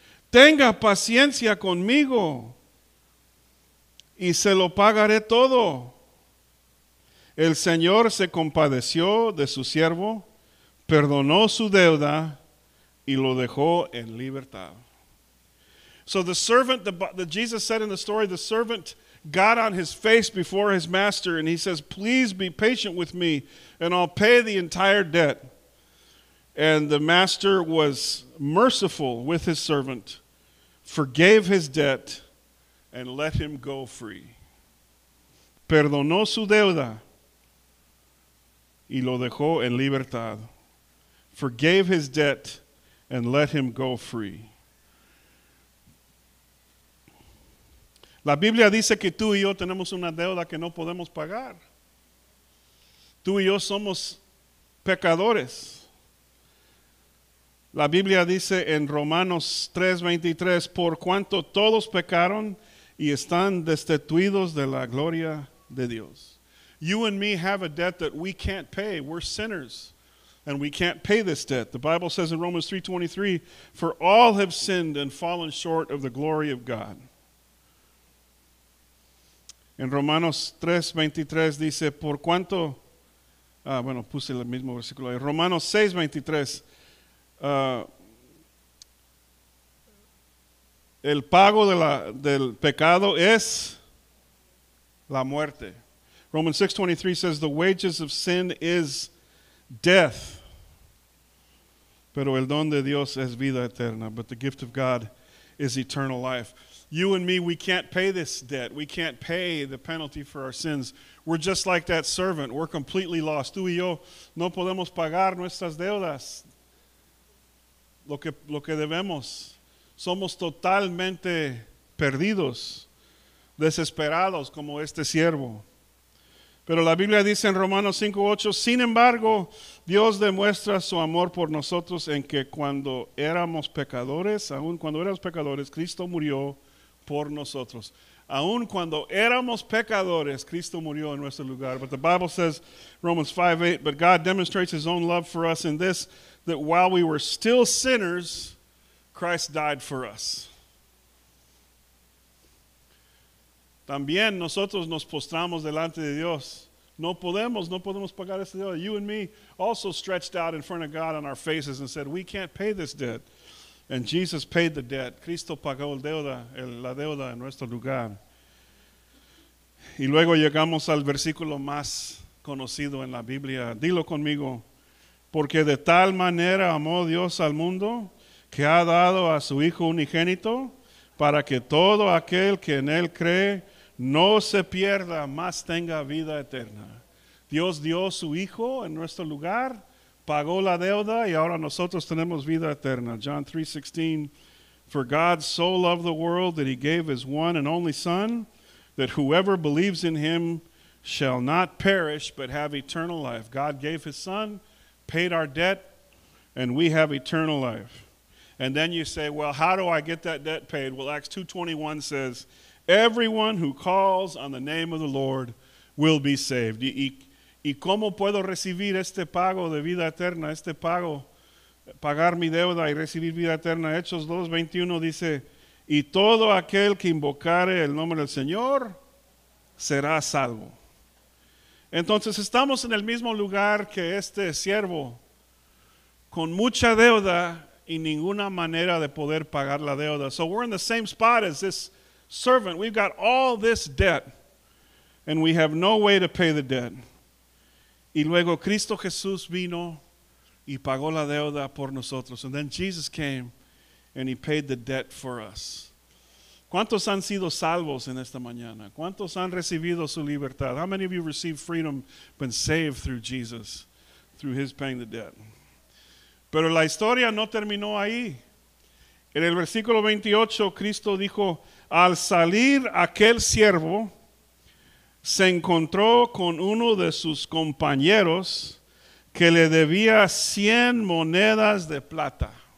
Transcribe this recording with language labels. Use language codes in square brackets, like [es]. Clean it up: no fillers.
[es] Tenga paciencia conmigo y se lo pagaré todo. El Señor se compadeció de su siervo, perdonó su deuda y lo dejó en libertad. [en] So the servant that Jesus said in the story, the servant got on his face before his master and he says, please be patient with me and I'll pay the entire debt. And the master was merciful with his servant, forgave his debt and let him go free. [es] Perdonó su deuda y lo dejó en libertad. [en] Forgave his debt and let him go free. [es] La Biblia dice que tú y yo tenemos una deuda que no podemos pagar. Tú y yo somos pecadores. La Biblia dice en Romanos 3:23, por cuanto todos pecaron y están destituidos de la gloria de Dios. [en] You and me have a debt that we can't pay. We're sinners, and we can't pay this debt. The Bible says in Romans 3:23, for all have sinned and fallen short of the glory of God. [es] En Romanos 3:23 dice, por cuanto, bueno, puse el mismo versículo ahí. Romanos 6:23, el pago de del pecado es la muerte. [en] Romans 6:23 says, the wages of sin is death, [es] pero el don de Dios es vida eterna, [en] but the gift of God is eternal life. You and me, we can't pay this debt. We can't pay the penalty for our sins. We're just like that servant. We're completely lost. [es] Tú y yo no podemos pagar nuestras deudas. Lo que debemos. Somos totalmente perdidos, desesperados como este siervo. Pero la Biblia dice en Romanos 5:8, sin embargo, Dios demuestra su amor por nosotros en que cuando éramos pecadores, aun cuando éramos pecadores, Cristo murió por nosotros. Aun cuando éramos pecadores, Cristo murió en nuestro lugar. [en] But the Bible says, Romans 5:8, but God demonstrates his own love for us in this, that while we were still sinners, Christ died for us. [es] También nosotros nos postramos delante de Dios. No podemos pagar esa deuda. [en] You and me also stretched out in front of God on our faces and said, we can't pay this debt. And Jesus paid the debt. [es] Cristo pagó la deuda en nuestro lugar. Y luego llegamos al versículo más conocido en la Biblia. Dilo conmigo. Porque de tal manera amó Dios al mundo que ha dado a su Hijo unigénito para que todo aquel que en él cree no se pierda, mas tenga vida eterna. Dios dio su Hijo en nuestro lugar, pagó la deuda y ahora nosotros tenemos vida eterna. [en] John 3:16, for God so loved the world that he gave his one and only Son, that whoever believes in him shall not perish but have eternal life. God gave his Son, paid our debt, and we have eternal life. And then you say, well, how do I get that debt paid? Well, Acts 2:21 says, everyone who calls on the name of the Lord will be saved. [es] ¿Y cómo puedo recibir este pago de vida eterna, este pago, pagar mi deuda y recibir vida eterna? Hechos 2:21 dice, y todo aquel que invocare el nombre del Señor será salvo. Entonces estamos en el mismo lugar que este siervo, con mucha deuda y ninguna manera de poder pagar la deuda. [en] So we're in the same spot as this servant. We've got all this debt and we have no way to pay the debt. [es] Y luego Cristo Jesús vino y pagó la deuda por nosotros. [en] And then Jesus came and he paid the debt for us. [es] ¿Cuántos han sido salvos en esta mañana? ¿Cuántos han recibido su libertad? [en] How many of you received freedom, been saved through Jesus, through his paying the debt? [es] Pero la historia no terminó ahí. En el versículo 28, Cristo dijo, al salir aquel siervo, se encontró con uno de sus compañeros que le debía 100 monedas de plata.